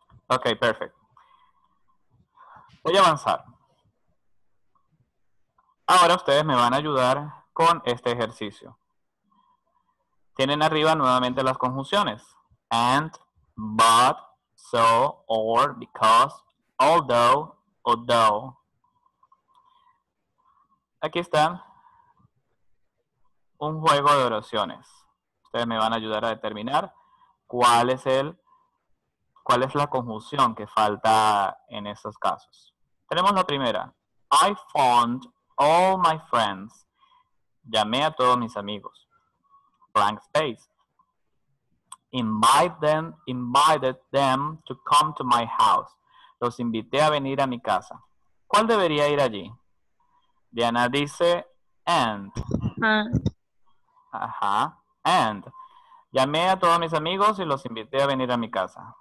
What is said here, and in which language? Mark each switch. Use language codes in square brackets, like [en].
[es] Ok, perfecto. Voy a avanzar. Ahora ustedes me van a ayudar con este ejercicio. Tienen arriba nuevamente las conjunciones. [en] And, but, so, or, because, although, although. [es] Aquí están un juego de oraciones. Ustedes me van a ayudar a determinar cuál es el, cuál es la conjunción que falta en estos casos. Tenemos la primera. [en] I found all my friends. [es] Llamé a todos mis amigos. [en] Blank space. Invited them to come to my house. [es] Los invité a venir a mi casa. ¿Cuál debería ir allí? Diana dice, and. Ajá. And. Llamé a todos mis amigos y los invité a venir a mi casa.